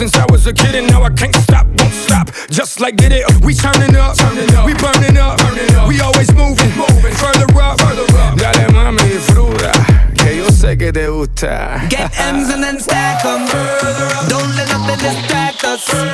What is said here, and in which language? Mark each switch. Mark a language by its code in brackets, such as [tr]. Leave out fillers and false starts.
[en] was a kid and now I can't stop, won't stop. Just like did it, we turning up, we burning up, we always moving, further up. [es] Dale mami, fruta, que yo sé que te gusta. [en] Get M's and then stack them. Don't let nothing distract us.